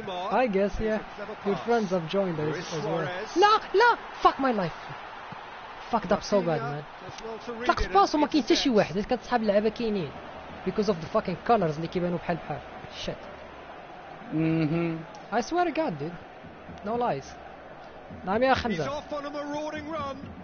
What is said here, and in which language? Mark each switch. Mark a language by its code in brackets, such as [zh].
[en] I guess yeah your friends have joined us as well. [ar] لا لا [en] fuck my life fucked up so bad man. [ar] طلق سباس وما كاين حتى شي واحد اللي كانت صحاب اللعبه كاينين [en] because of the fucking colors [ar] اللي كيبانوا بحال بحال shit. [en] I swear to god dude no lies. [ar] نعم يا خمزة. [en] He's off on a marauding run.